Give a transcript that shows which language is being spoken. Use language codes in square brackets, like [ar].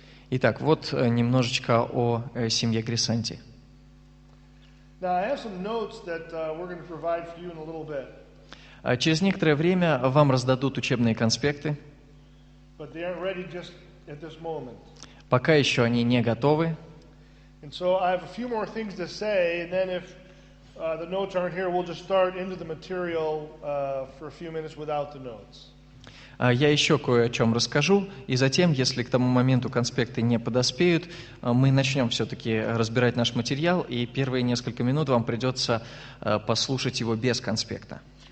[ru] Итак, вот немножечко о семье Грисанти. Через некоторое время вам раздадут учебные конспекты. [en] But they aren't ready just at this moment. [ru] Пока еще они не готовы. [en] And so I have a few more things to say, and then if the notes aren't here, we'll just start into the material for a few minutes without the notes. [ru] Я еще кое о чем расскажу, и затем, если к тому моменту конспекты не подоспеют, мы начнем все-таки разбирать наш материал, и первые несколько минут вам придется послушать его без конспекта.